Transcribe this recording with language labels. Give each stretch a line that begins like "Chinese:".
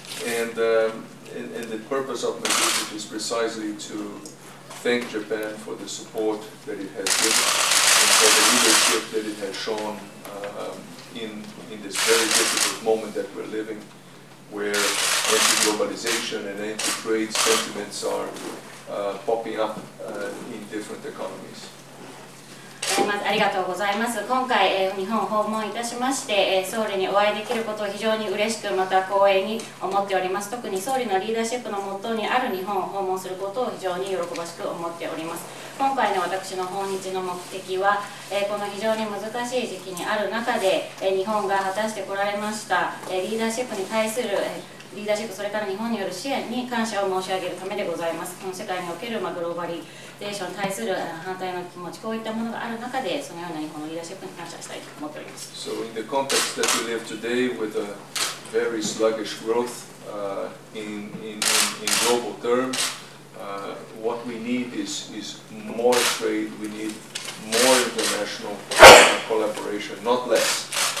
English: And the purpose of my visit is precisely to thank Japan for the support that it has given and for the leadership that it has shown in this very difficult moment that we're living, where anti-globalization and anti-trade sentiments are popping up in different economies.
Japanese: ありがとうございます。今回日本を訪問いたしまして、総理にお会いできることを非常に嬉しく、また光栄に思っております。特に総理のリーダーシップのもとにある日本を訪問することを非常に喜ばしく思っております。今回の私の訪日の目的は、この非常に難しい時期にある中で、日本が果たしてこられましたリーダーシップに対するリーダーシップ、それから日本による支援に感謝を申し上げるためでございます。この世界におけるグローバリゼーションに対する反対の気持ち、こういったものがある中で、そのような日本のリーダーシップに感謝したいと思っております。
English: So in the context that we live today with a very sluggish growth in global terms, what we need is more trade, we need more international collaboration, not less.